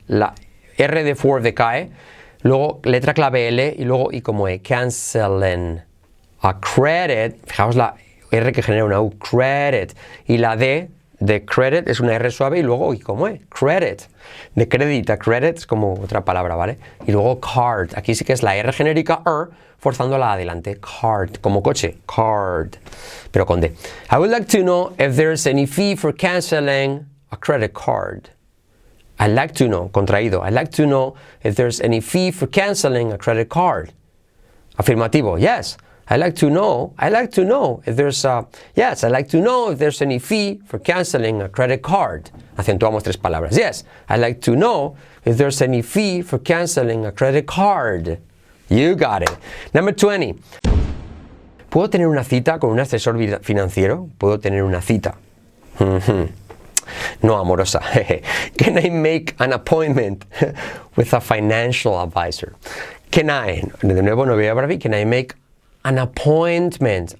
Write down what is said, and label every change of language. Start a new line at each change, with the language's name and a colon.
Spanish: La R de for decae, luego letra clave L y luego I como E.
English: Canceling a credit.
Spanish: Fijaos la R que genera una U. Credit. Y la D de credit es una R suave y luego I como E. Credit. De credit a credit es como otra palabra, ¿vale? Y luego card. Aquí sí que es la R genérica R forzándola adelante. Card. Como coche. Card. Pero con D.
English: I would like to know if there's any fee for canceling a credit card. I'd like to know.
Spanish: Contraído.
English: I'd like to know if there's any fee for canceling a credit card.
Spanish: Afirmativo.
English: Yes. I'd like to know. I'd like to know if there's a... Yes. I'd like to know if there's any fee for canceling a credit card.
Spanish: Acentuamos tres palabras.
English: Yes. I'd like to know if there's any fee for canceling a credit card. You got it. Number 20.
Spanish: ¿Puedo tener una cita con un asesor financiero? ¿Puedo tener una cita? No amorosa.
English: Can I make an appointment with a financial advisor? Can I?
Spanish: De nuevo, no voy a bravi.
English: Can I make an appointment?